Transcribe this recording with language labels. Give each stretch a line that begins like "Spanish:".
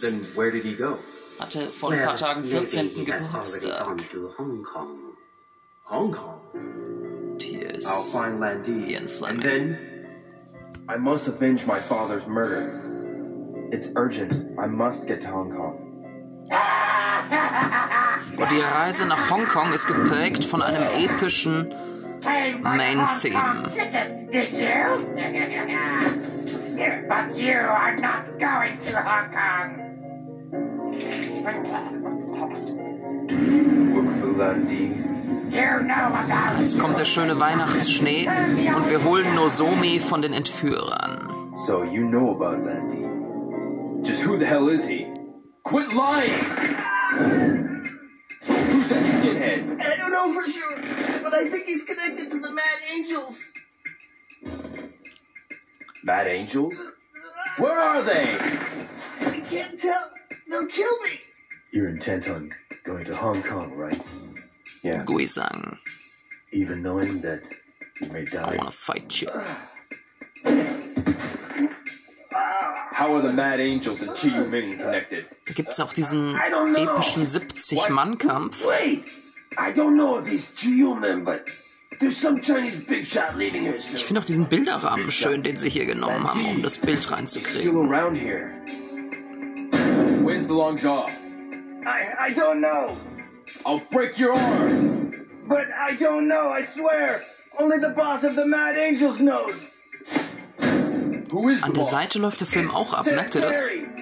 English: Then where did he go?
German: Hatte vor ein paar Tagen 14. Geburtstag.
English: Hong Kong. Hong Kong?
German: Und hier ist Ian Fleming.
English: And then I must avenge my father's murder. It's urgent. I must get to Hong Kong.
German: Und die Reise nach Hongkong ist geprägt von einem epischen
English: main theme. Ticket, did you? But you are not going to Hong Kong. Do you work for Landy?
German: Jetzt kommt der schöne Weihnachtsschnee und wir holen Nozomi von den Entführern.
English: So you know about Landy. Just who the hell is he? Quit lying! Who's that skinhead? I don't know for sure, but I think he's connected to the Mad Angels. Mad Angels? Where are they? I can't tell. They'll kill me. You're intent on going to Hong Kong, right? Yeah. Guizang. Even knowing that you may die. I want to fight you. How are the Mad Angels and Chi Yuming connected?
German: Da gibt's auch diesen epischen 70-Mann-Kampf.
English: Wait! I don't know if he's Chi Yuming, but there's some Chinese big shot leaving here.
German: Ich finde auch diesen Bilderrahmen schön, den sie hier genommen haben, um das Bild reinzukriegen.
English: Still around here. Where's the long jaw? I don't know. I'll break your arm. But I don't know, I swear. Only the boss of the Mad Angels knows. Who is
German: An der Seite läuft der Film auch ab, merkt ihr das?